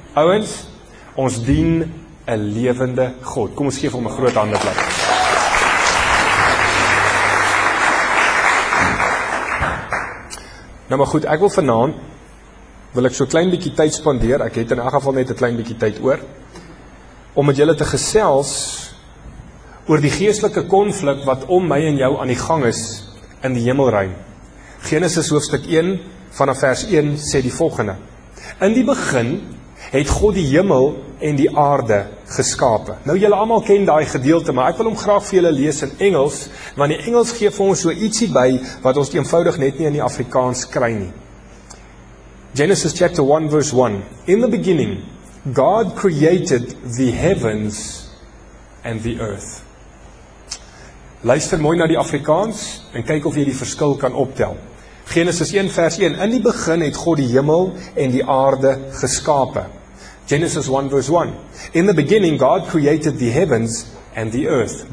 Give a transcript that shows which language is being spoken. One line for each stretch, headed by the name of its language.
Afrikaans: Ouwens, ons dien een levende God. Kom, ons geef hom een groot hande plek. Nou maar goed, ek wil vanaand, wil ek so klein bietjie tyd spandeer, ek het in elk geval net 'n klein bietjie tyd oor, om met julle te gesels oor die geestelike konflik wat om my en jou aan die gang is in die hemelruim. Genesis hoofstuk 1 vanaf vers 1 sê die volgende: In die begin het God die hemel en die aarde geskape. Nou julle almal ken daai gedeelte, maar ek wil hom graag vir julle lees in Engels, want die Engels gee vir ons so ietsie by wat ons eenvoudig net nie in die Afrikaans kry nie.
English: Genesis chapter 1 verse 1. In the beginning, God created the heavens and the earth.
Afrikaans: Luister mooi na die Afrikaans en kyk of jy die verskil kan optel. Genesis 1 vers 1. In die begin het God die hemel en die aarde geskape.
English: Genesis 1 verse 1. In the beginning, God created the heavens and the earth.